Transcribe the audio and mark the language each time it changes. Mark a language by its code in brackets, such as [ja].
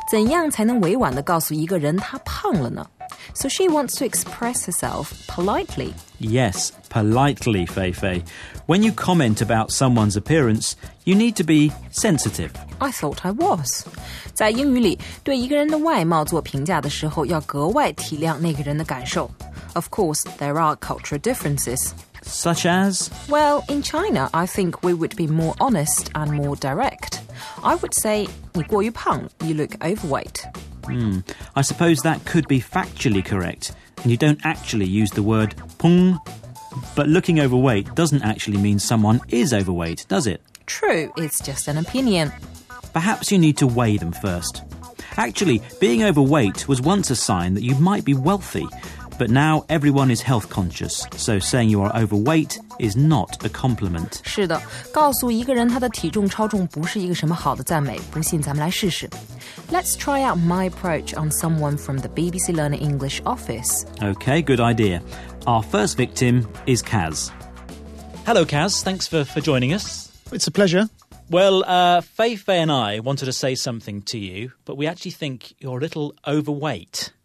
[zh] 来自四川的医师问我们，怎样才能委婉地告诉一个人他胖了呢？ [en] So she wants to express herself politely. Yes, politely, Feifei. When you comment about someone's appearance, you need to be sensitive. I thought I was. [zh] 在英语里，对一个人的外貌做评价的时候，要格外体谅那个人的感受。 [en] Of course, there are cultural differences. Such as? Well, in China, I think we would be more honest and more direct. I would say, [zh] 你过于胖, [en] you look overweight. I suppose that could be factually correct, and you don't actually use the word 胖, but looking overweight doesn't actually mean someone is overweight, does it? True, it's just an opinion. Perhaps you need to weigh them first. Actually, being overweight was once a sign that you might be wealthy, but now everyone is health conscious, so saying you are overweight is not a compliment. [zh] 是的, 告诉一个人他的体重超重不是一个什么好的赞美，不信咱们来试试。 [en] Let's try out my approach on someone from the BBC Learning English office. Okay, good idea. Our first victim is Kaz. Hello, Kaz. Thanks for joining us. It's a pleasure. Well, Feifei and I wanted to say something to you, but we actually think you're a little overweight.